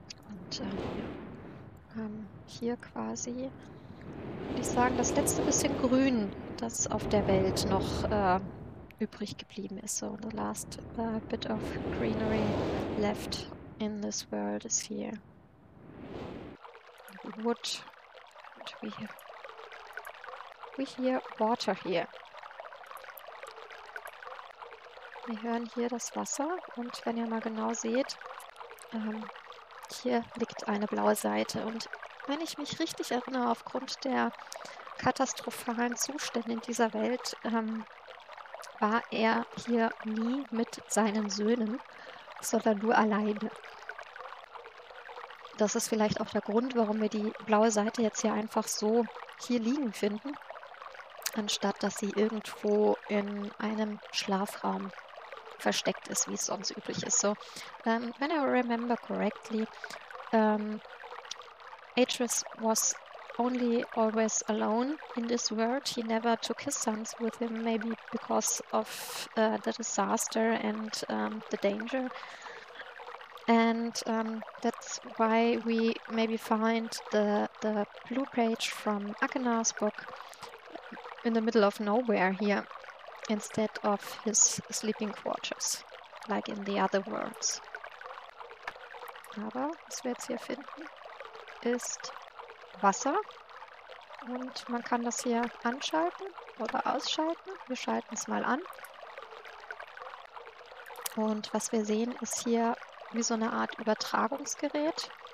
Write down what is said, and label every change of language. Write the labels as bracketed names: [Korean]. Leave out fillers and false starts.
[German] Und hier quasi, würde ich sagen, das letzte bisschen Grün, das auf der Welt noch übrig geblieben ist. [English] So, the last bit of greenery left in this world is here. Wood. What do we hear? We hear water here. [German] Wir hören hier das Wasser, und wenn ihr mal genau seht, hier liegt eine blaue Seite, und wenn ich mich richtig erinnere, aufgrund der katastrophalen Zustände in dieser Welt, war er hier nie mit seinen Söhnen, sondern nur alleine. Das ist vielleicht auch der Grund, warum wir die blaue Seite jetzt hier einfach so hier liegen finden, anstatt dass sie irgendwo in einem Schlafraum versteckt ist, wie es sonst üblich ist. [English] So, when I remember correctly, Atreus was only always alone in this world. He never took his sons with him, maybe because of the disaster and the danger. And that's why we maybe find the blue page from Akenar's book in the middle of nowhere here, instead of his sleeping quarters, like in the other worlds. [German] Aber was wir jetzt hier finden, ist Wasser, und man kann das hier anschalten oder ausschalten. Wir schalten es mal an, und was wir sehen, ist hier wie so eine Art Übertragungsgerät.